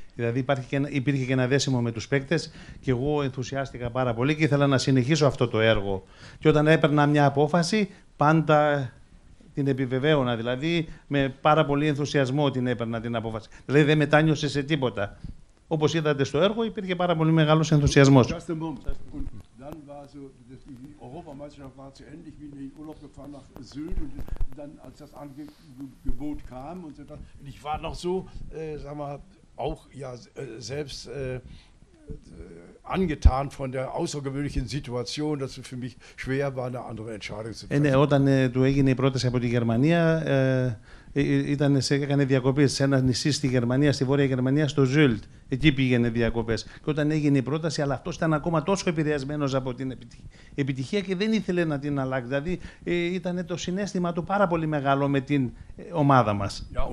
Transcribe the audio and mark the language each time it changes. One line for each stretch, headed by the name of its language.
Greek: Δηλαδή υπήρχε και ένα δέσιμο με τους παίκτες, και εγώ ενθουσιάστηκα πάρα πολύ και ήθελα να συνεχίσω αυτό το έργο. Και όταν έπαιρνα μια απόφαση, πάντα την επιβεβαίωνα. Δηλαδή με πάρα πολύ ενθουσιασμό την έπαιρνα την απόφαση. Δηλαδή δεν μετάνιωσε σε τίποτα. Όπως είδατε στο έργο, υπήρχε πάρα πολύ μεγάλος ενθουσιασμός.
German: dann war so die Europameisterschaft war zu Ende. Ich bin in den Urlaub gefahren nach Sylt und dann, als das Angebot kam und so, und ich war noch so, sag mal, auch ja selbst angetan von der außergewöhnlichen Situation, dass es für mich schwer war, eine andere Entscheidung zu treffen.
Greek: Όταν του έγινε η πρόταση από τη Γερμανία, ήταν σε έκανε διακοπή σε ένα νησί στη Γερμανία, στη Βόρεια Γερμανία, στο Ζουλτ. Εκεί πήγαινε διακοπές. Και όταν έγινε η πρόταση, αλλά αυτός ήταν ακόμα τόσο επηρεασμένος από την επιτυχία και δεν ήθελε να την αλλάξει. Δηλαδή ήταν το συνέστημα του πάρα πολύ μεγάλο με την ομάδα μας.